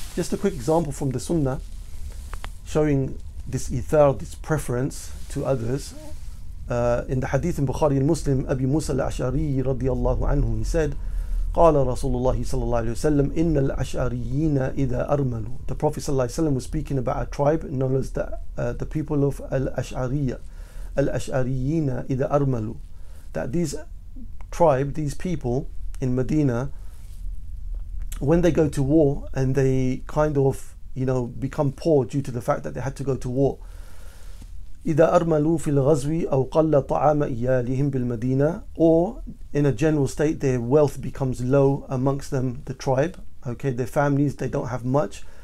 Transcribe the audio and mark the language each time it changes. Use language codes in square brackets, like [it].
[en] Just a quick example from the Sunnah showing this ithar, this preference to others. In the hadith in Bukhari and Muslim, Abi Musa al-Ash'ari radiallahu anhu, he said, [ar] قَالَ رَسُولُ اللَّهِ صَلَّى اللَّهِ عَلَيْهِ وَسَلَّمْ إِنَّ الْأَشْعَرِيِّينَ إِذَا أَرْمَلُوا. [en] The Prophet ﷺ was speaking about a tribe known as the people of Al-Ash'ariyya. [ar] Al-Ash'ariyyina إِذَا أَرْمَلُوا. [en] That these tribe, these people in Medina, when they go to war and they kind of, you know, become poor due to the fact that they had to go to war, [ar] إِذَا أَرْمَلُوا فِي الْغَزْوِ أَوْ قَلَّ طَعَامَ إِيَالِهِمْ بِالْمَدِينَةِ, [en] or in a general state, their wealth becomes low amongst them, the tribe, okay, their families, they don't have much.